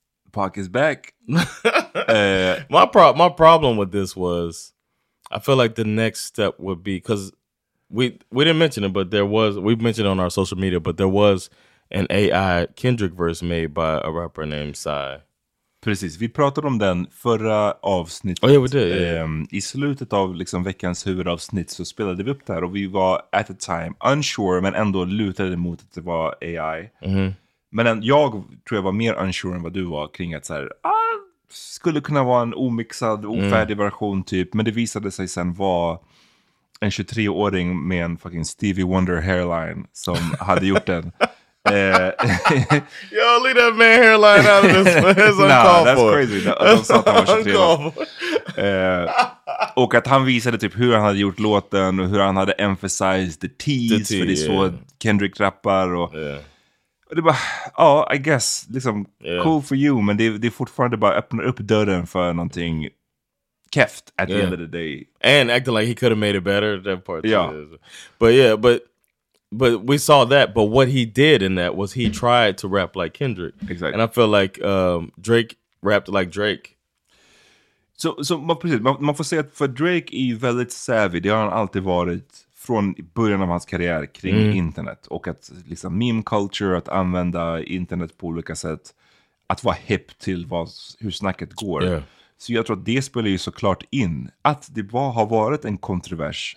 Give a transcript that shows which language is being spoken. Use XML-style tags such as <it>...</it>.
<en>Pac is back. My problem with this was, I feel like the next step would be, because we didn't mention it, but there was, we mentioned it on our social media, but there was an AI Kendrick verse made by a rapper named Psy.</en> <sv>Precis, vi pratade om den förra avsnittet.</sv> <en>Oh, yeah, we did, yeah.</en> <sv>I slutet av liksom veckans huvudavsnitt så spelade vi upp det här och vi var</sv> <en>at the time unsure,</en> <sv>men ändå lutade mot att det var AI. Mm-hmm. Men jag tror jag var mer unsure än vad du var kring att så här, skulle kunna vara en omixad, ofärdig version typ. Men det visade sig sen vara en 23-åring med en fucking Stevie Wonder hairline som hade gjort den.</sv> <en>Yo, leave that man hairline out of this. That's uncalled for. Nah, that's crazy.</en> <sv>Och att han visade typ hur han hade gjort låten och hur han hade</sv> <en>emphasized the T's.</en> <sv>För det är så Kendrick rappar och...</sv> <en>Yeah.</en> <sv>Det är bara, ja,</sv> <en>I guess,</en> <sv>liksom,</sv> <en>cool for you,</en> <sv>men det är fortfarande bara öppna upp dörren för någonting keft</sv> <en>at the end of the day. And acting like he could have made it better, that part. Yeah. But yeah, but we saw that, but what he did in that was he tried to rap like Kendrick. Exactly. And I feel like Drake rapped like Drake.</en> <sv>Så man får säga att för Drake är ju väldigt savvy, det har han alltid varit. Från början av hans karriär kring internet. Och att liksom meme culture, att använda internet på olika sätt. Att vara hip till hur snacket går.</sv> <en>Yeah.</en> <sv>Så jag tror att det spelar ju såklart in. Att det har varit en kontrovers.</sv>